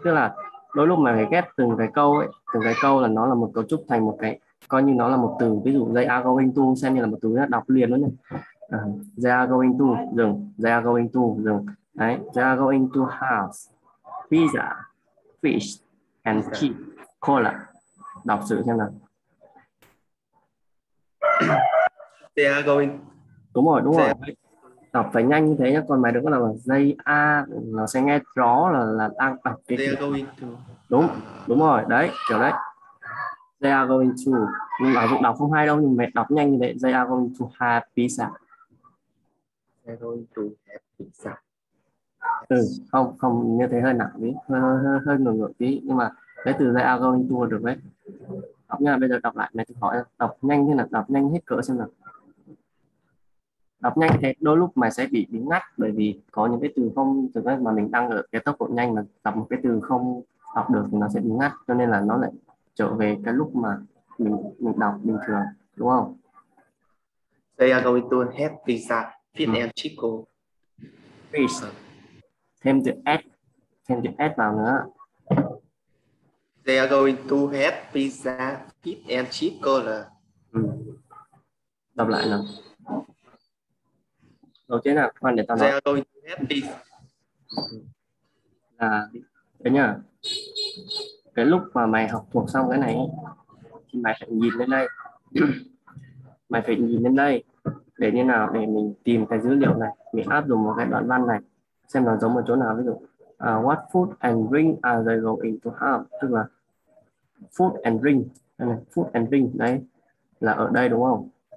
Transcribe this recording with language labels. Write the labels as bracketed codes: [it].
[vi] Tức là đôi lúc mày phải ghép từng cái câu ấy, từng cái câu là nó là một cấu trúc thành một cái. Coi như nó là một từ, ví dụ [en] they are going to [vi] xem như là một từ nhá, đọc liền luôn nhá. [en] They are going to dừng. [vi] Đấy, [en] they are going to have pizza, fish and chip, cola. [vi] Đọc sự xem nào. Đúng rồi. Đọc phải nhanh như thế nhá, còn mày đừng có nào là [en] they are, [vi] nó sẽ nghe rõ là đang đọc cái [en] they are going to. [vi] Đúng rồi, đấy, kiểu đấy. [en] They are going to, [vi] nhưng mà đọc không hay đâu, nhưng mẹ đọc nhanh như vậy. [en] They are going to have pizza. They are going to have pizza. [vi] Ừ, không như thế hơi nặng tí, hơi ngược ngược tí. Nhưng mà cái từ [en] they are going to [vi] được đấy. Đọc nha, bây giờ đọc lại, mẹ thử hỏi đọc nhanh như là đọc nhanh hết cỡ xem nào. Đọc nhanh thế, đôi lúc mày sẽ bị ngắt, bởi vì có những cái từ không, từ cái mà mình đang ở cái tốc độ nhanh mà đọc một cái từ không đọc được thì nó sẽ bị ngắt, cho nên là nó lại trở về cái lúc mà mình đọc bình thường, đúng không? [en] They are going to have pizza, fish and chips. [vi] Thêm từ add vào nữa. [en] They are going to have pizza, fish and chips. [vi] Đọc lại nào. Đầu tiên là khoan để tao nói. [en] They are going to have pizza. [vi] Là đấy nhá. Cái lúc mà mày học thuộc xong cái này thì mày phải nhìn lên đây. Mày phải nhìn lên đây để như nào, để mình tìm cái dữ liệu này, mình áp dụng một cái đoạn văn này xem nó giống ở chỗ nào. Ví dụ [en] what food and drink are they going to have, [vi] tức là food and drink đấy, là ở đây đúng không?